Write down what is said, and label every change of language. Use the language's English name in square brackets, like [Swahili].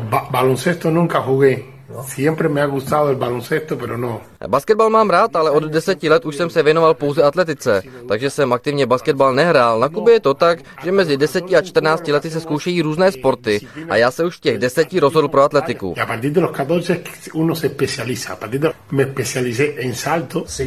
[Spanish] Baloncesto nunca jugué. Siempre me ha gustado el baloncesto, pero no. [Czech] Basketbal mám rád, ale od 10 let už jsem se věnoval pouze atletice, takže jsem aktivně basketbal nehrál. Na Kubě je to tak, že mezi 10 a 14 lety se zkoušejí různé sporty a já se už v těch 10 rozhodl pro atletiku. [Spanish] A partir de los 14 uno se especializa. Me especialicé en salto.